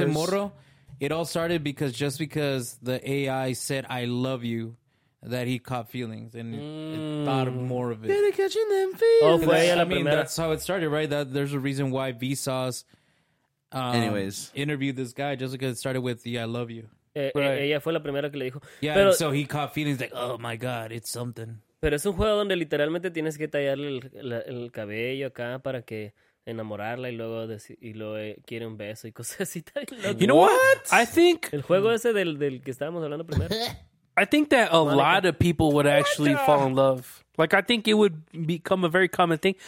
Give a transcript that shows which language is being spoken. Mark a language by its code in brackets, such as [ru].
[es] Ese morro, [en] it all started because the AI said, I love you, that he caught feelings and thought more of it. Yeah, they're catching them feelings. [es] Oh, fue ella la primera. [en] I mean, that's how it started, right? That there's a reason why Vsauce... anyways, interviewed this guy just because it started with "I love you." [es] Right. Ella fue la primera que le dijo. [en] Yeah, [es] pero, [en] and so he caught feelings like, "Oh my God, it's something." [es] Pero es un juego donde literalmente tienes que tallarle el cabello acá para que enamorarla y luego quiere un beso y cosas así. [en] You know what? I think [es] el juego ese del que estábamos hablando primero. [en] I think that a lot of people would actually fall in love. Like, I think it would become a very common thing.